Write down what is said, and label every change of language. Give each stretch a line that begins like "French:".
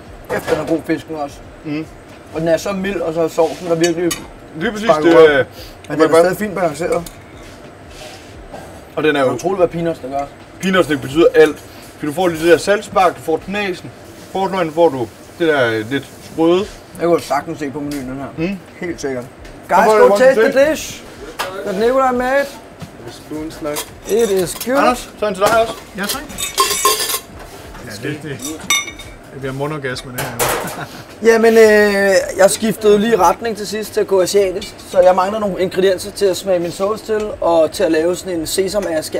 Danish: Kæft, den er god fisken også. Mm. Og den er så mild, og så er sovsen, der virkelig lige præcis, sparker rundt. Men den er stadig fint balanceret. Og den er jo utroligt, hvad peanuts den gør. Peanuts betyder alt, for du får lige det der saltspark, du får knasen, forsløjen får du det der lidt røde. Jeg kunne sagtens se på menuen den her. Mm. Helt sikkert.
English: Guys, go taste the dish that Nicolai made.
Danish: Det er spoons nok.
English: It is good.
Danish: Anders, så en til dig også. Ja, tak. Ja, det er det. Vi har monogasme det her. Jamen, jeg skiftede lige retning til sidst til at gå asiatisk, så jeg mangler nogle ingredienser til at smage min sauce til og til at lave sådan en sesamaske.